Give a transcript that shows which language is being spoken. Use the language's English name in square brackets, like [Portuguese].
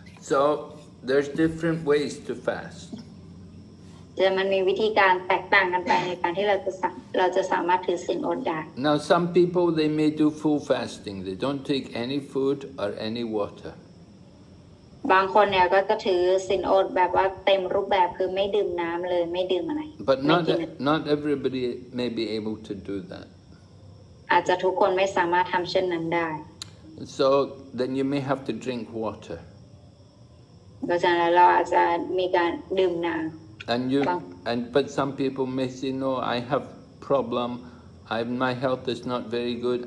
[English] So there's different ways to fast [Thai] มันมีวิธีการแตกต่างกันไปในการที่เราจะสามารถถือศีลอดได้ [English] Now some people they may do full fasting they don't take any food or any water [Thai] บางคนเนี่ยก็จะถือศีลอดแบบว่าเต็มรูปแบบคือไม่ดื่มน้ำเลยไม่ดื่มอะไร [English] But not everybody may be able to do that [Thai] อาจจะทุกคนไม่สามารถทำเช่นนั้นได้ [English] So then you may have to drink water [Thai] ก็จะเราอาจจะมีการดื่มน้ำ [English] But some people may say, no, I have problem. My health is not very good.